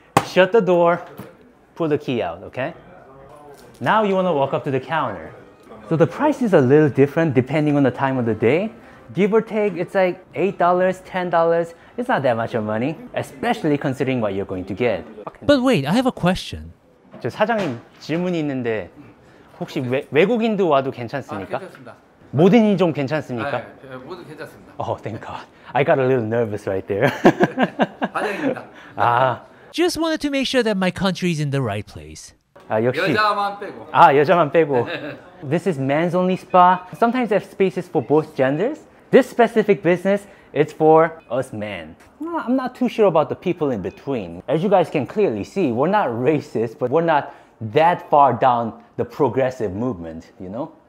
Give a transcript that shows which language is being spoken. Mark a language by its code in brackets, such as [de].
[en] Shut the door, pull the key out, okay? Now you wanna walk up to the counter. So the price is a little different depending on the time of the day. Give or take, it's like $8, $10. It's not that much of money, especially considering what you're going to get. But wait, I have a question. [ko] 저 사장님, 질문이 있는데 혹시 외국인도 와도 괜찮습니까? 괜찮습니다. 모든 인종 괜찮습니까? 아, 예, 예, 모두 괜찮습니다. [en] Oh, thank God. I got a little nervous right there. [ko] 반영입니다. 아, [en] just wanted to make sure that my country is in the right place. [ko] 아, 역시. 여자만 빼고. 아, 여자만 빼고. [en] This is men's only spa. Sometimes they have spaces for both genders. This specific business, it's for us men. I'm not too sure about the people in between. As you guys can clearly see, we're not racist, but we're not that far down the progressive movement, you know?